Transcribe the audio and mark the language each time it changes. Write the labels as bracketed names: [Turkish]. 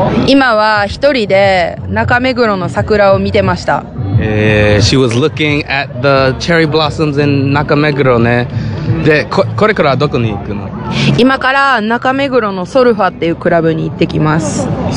[Japanese] 今は一人で中目黒の桜を見てました。 [English] She was looking at the cherry blossoms in 中目黒ね。 [Japanese] で、これからどこに行くの？今から中目黒のソルファっていうクラブに行ってきます。